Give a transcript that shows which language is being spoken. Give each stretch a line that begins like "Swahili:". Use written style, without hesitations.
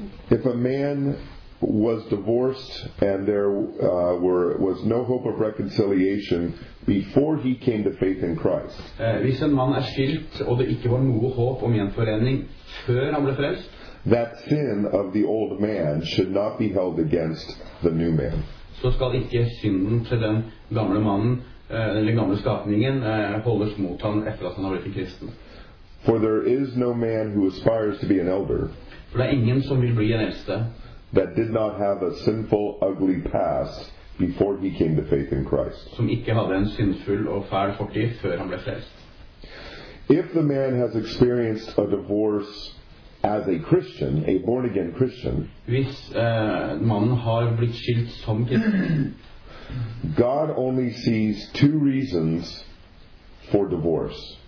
English: If a man was divorced and there was no hope of reconciliation before he came to faith in Christ.
Norwegian: Hvis en mann er skilt og det ikke var noe håp om gjenforening før han ble frelst,
English: that sin of the old man should not be held against the new man.
Norwegian: Så skal ikke synden til den gamle mannen eller gamle skapningen holdes mot han etter at han har blitt kristen.
English: For there is no man who aspires to be an elder.
Norwegian: For det er ingen som vil bli en eldste.
English: That did not have a sinful, ugly past before he came to faith in Christ.
Norwegian: Som ikke hadde en syndfull og fæl fortid før han ble frelst.
English: If the man has experienced a divorce as a Christian, a born again Christian,
Norwegian: hvis mannen har blitt skilt som kristen,
English: God only sees two reasons for divorce.